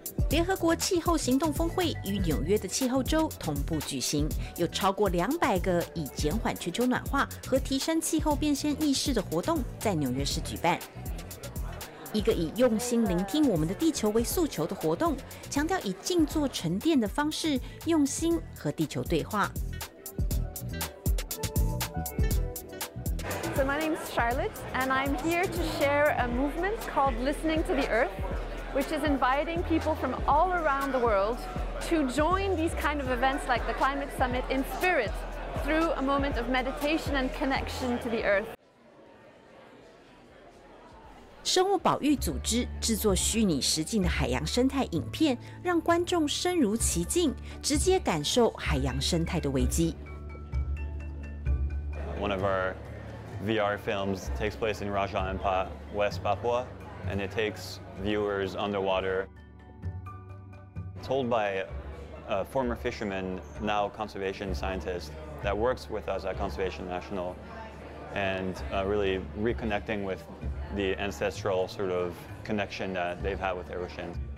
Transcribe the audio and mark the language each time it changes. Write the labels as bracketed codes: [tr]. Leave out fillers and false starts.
[zh] 联合国气候行动峰会与纽约的气候周同步举行，有超过200个以减缓全球暖化和提升气候变迁意识的活动在纽约市举办。一个以用心聆听我们的地球为诉求的活动，强调以静坐沉淀的方式用心和地球对话。 [en] So my name is Charlotte, and I'm here to share a movement called Listening to the Earth, which is inviting people from all around the world to join these kind of events like the Climate Summit in spirit through a moment of meditation and connection to the Earth. [zh] 生物保育组织制作虚拟实境的海洋生态影片，让观众身如其境，直接感受海洋生态的危机。 [en] One of our VR films takes place in Raja Ampat, West Papua, and it takes viewers underwater. Told by a former fisherman, now conservation scientist, that works with us at Conservation National, and really reconnecting with the ancestral sort of connection that they've had with their ocean.